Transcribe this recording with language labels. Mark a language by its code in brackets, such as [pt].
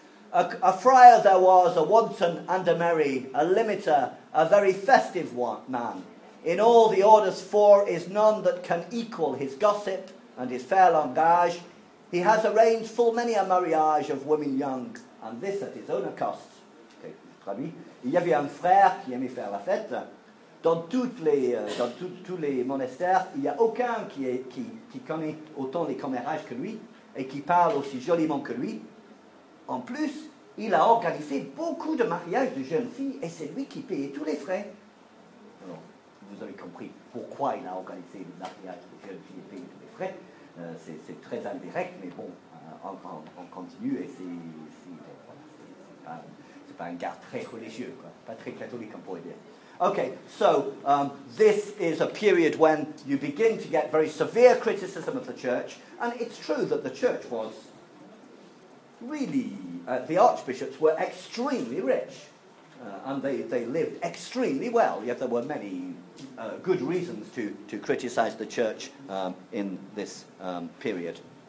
[en] A friar there was, a wanton and a merry, a limiter, a very festive one, man. In all the orders four is none that can equal his gossip and his fair langage. He has arranged full many a mariage of women young, and this at his own cost. Okay. [fr] Il y avait un frère qui aimait faire la fête. Dans tous les monastères, il n'y a aucun qui connaît autant les commérages que lui et qui parle aussi joliment que lui. En plus, il a organisé beaucoup de mariages de jeunes filles et c'est lui qui payait tous les frais. Alors, vous avez compris pourquoi il a organisé le mariage de jeunes filles et payé tous les frais. C'est très indirect, mais bon, on continue et c'est pas un gars très religieux, quoi. Pas très catholique, on pourrait dire. [en] Okay, so this is a period when you begin to get very severe criticism of the church, and it's true that the church was really, the archbishops were extremely rich, and they lived extremely well, yet there were many good reasons to criticize the church in this period.